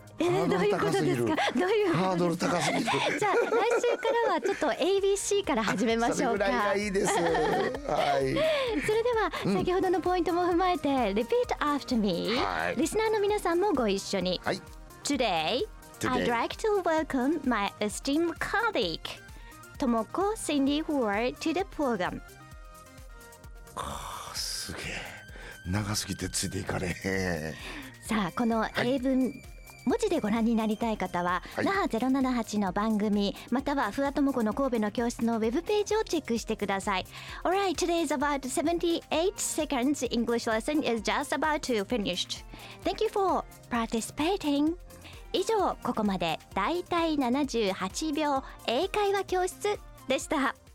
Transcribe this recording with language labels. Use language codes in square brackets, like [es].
[ja] どういうことですか？どういうハードル高すぎる。じゃあ来週からはちょっと ABC から始めましょうか。それぐらいがいいです。はい。それでは先ほどのポイントも踏まえて、 [en] Repeat after me。 [ja] リスナーの皆さんもご一緒に。はい。 [en] Today, Today, I'd like to welcome my esteemed colleague, Tomoko Cindy Ward, to the program. [ja] すげえ。長すぎてついていかれへん。さあ、この英文、文字でご覧になりたい方は、那覇078の番組、またはフワトモコの神戸の教室のウェブページをチェックしてください。 [en] Alright, today's about 78 seconds English lesson is just about to finish. Thank you for participating. [ja] 以上、ここまで、だいたい78秒英会話教室でした。